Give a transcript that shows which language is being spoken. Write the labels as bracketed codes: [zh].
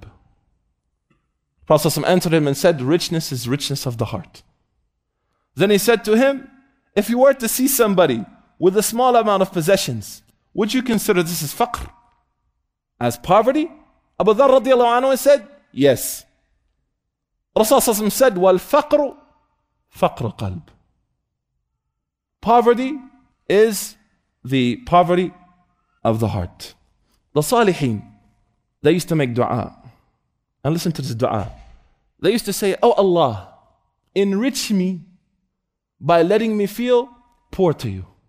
[en] The Prophet sallallahu alayhi wa sallam answered him and said, richness is richness of the heart. Then he said to him, if you were to see somebody with a small amount of possessions, would you consider this is faqr? as poverty? Abu Dharr radiallahu anhu said, yes. Rasulullah said, [ar] والفقر فقر قلب. [en] Poverty is the poverty of the heart. The Salihin, they used to make dua. And listen to this dua. They used to say, oh Allah, enrich me by letting me feel poor to you.